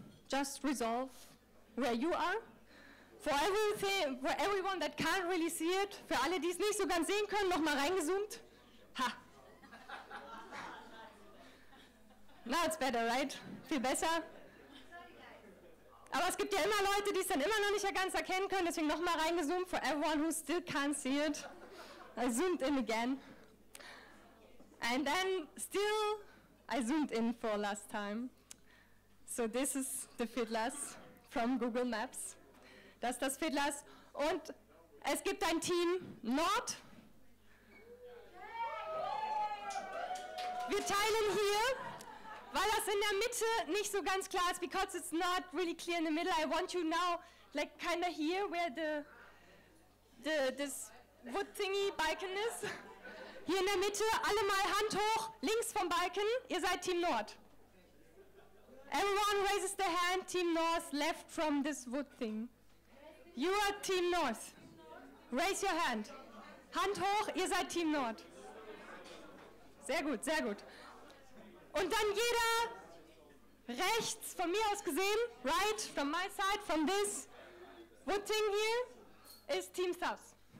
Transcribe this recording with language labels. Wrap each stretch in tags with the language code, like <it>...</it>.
<en>Just resolve where you are. For everyone that can't really see it,</en> <de>für alle, die es nicht so ganz sehen können, nochmal reingezoomt.</de> <en>Ha. Now it's better, right?</en> <de>Viel besser. Aber es gibt ja immer Leute, die es dann immer noch nicht ganz erkennen können, deswegen nochmal reingezoomt.</de> <en>For everyone who still can't see it, I zoomed in again. And then still, I zoomed in for last time. So this is the Fiddlers from Google Maps.</en> <de>Das ist das Fiddlers. Und es gibt ein Team Nord. Wir teilen hier, weil das in der Mitte nicht so ganz klar ist.</de> <en>Because it's not really clear in the middle. I want you now, like kind of here, where this wood thingy Balken is.</en> <de>Hier in der Mitte, alle mal Hand hoch, links vom Balken, ihr seid Team Nord.</de> <en>Everyone raises their hand, Team North, left from this wood thing. You are Team North. Raise your hand.</en> <de>Hand hoch, ihr seid Team Nord. Sehr gut, sehr gut. Und dann jeder rechts, von mir aus gesehen,</de> <en>right, from my side, from this wood thing here, is Team South.</en>